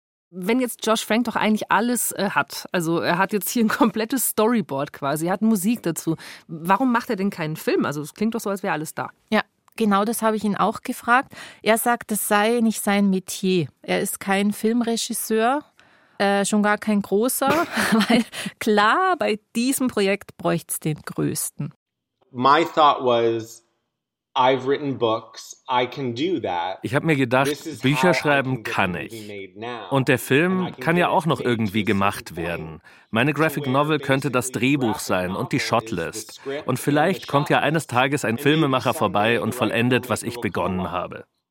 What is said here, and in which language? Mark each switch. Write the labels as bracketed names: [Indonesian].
[German] Wenn jetzt Josh Frank doch eigentlich alles hat, also er hat jetzt hier ein komplettes Storyboard quasi, er hat Musik dazu, warum macht er denn keinen Film? Also es klingt doch so, als wäre alles da. Ja, genau das habe ich ihn auch gefragt. Er sagt, das sei nicht sein Metier. Er ist kein Filmregisseur, schon gar kein großer, weil klar, bei diesem Projekt bräuchte es den größten. [English] My thought was, I've written books, I can do that. [German] Ich habe mir gedacht, Bücher schreiben kann ich. Und der Film kann ja auch noch irgendwie gemacht werden. Meine Graphic Novel könnte das Drehbuch sein und die Shotlist. Und vielleicht kommt ja eines Tages ein Filmemacher vorbei und vollendet, was ich begonnen habe.